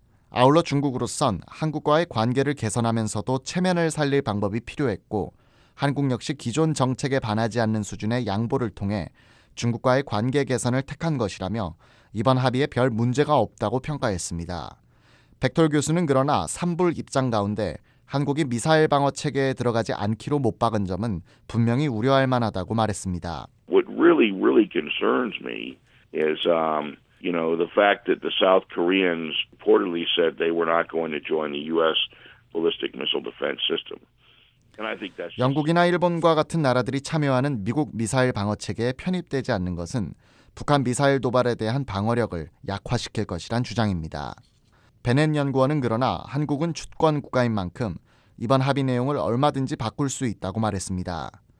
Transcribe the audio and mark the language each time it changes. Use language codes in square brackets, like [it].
[ko] 아울러 중국으로선 한국과의 관계를 개선하면서도 체면을 살릴 방법이 필요했고 한국 역시 기존 정책에 반하지 않는 수준의 양보를 통해 중국과의 관계 개선을 택한 것이라며 이번 합의에 별 문제가 없다고 평가했습니다. 백톨 교수는 그러나 삼불 입장 가운데 한국이 미사일 방어 체계에 들어가지 않기로 못 박은 점은 분명히 우려할 만하다고 말했습니다. [en] What really, really concerns me is, you know, the fact that the South Koreans reportedly said they were not going to join the U.S. ballistic missile defense system. And I think that's [ko] 영국이나 일본과 같은 나라들이 참여하는 미국 미사일 방어 체계에 편입되지 않는 것은 북한 미사일 도발에 대한 방어력을 약화시킬 것이란 주장입니다. 베넷 연구원은 그러나 한국은 주권 국가인 만큼 이번 합의 내용을 얼마든지 바꿀 수 있다고 말했습니다.